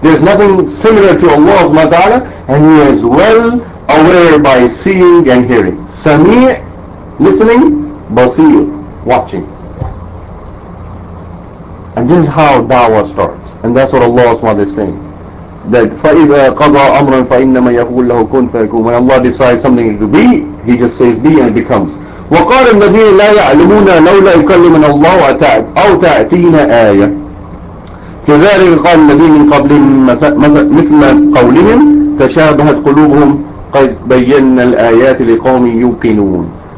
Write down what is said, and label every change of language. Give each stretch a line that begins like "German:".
English: There's nothing similar to Allah subhanahu wa ta'ala, and He is well aware by seeing and hearing. Sami', listening, basir, watching. And this is how da'wah starts. And that's what Allah SWT is saying. That
Arabic: فَإِذَا قَضَى أَمْرًا فَإِنَّمَا يَقُولُ لَهُ كُنْ فَيَكُونَ.
English: When Allah decides something to be, He just says be and it becomes.
Arabic: وَقَالَ الَّذِينَ لَا يَعْلَمُونَ لَوْلَا يُكَلِّمُنَا اللَّهُ أَوْ تَأْتِينَا آيَةً كَذَلِكَ قَالَ الَّذِينَ مِنْ قَبْلِهِمْ مِثْلَ قَوْلِهِمْ تَشَابَهَتْ قُلُوبُهُمْ قَدْ بَيَّنَّا الْآيَاتِ لِقَوْمٍ يُوقِنُونَ.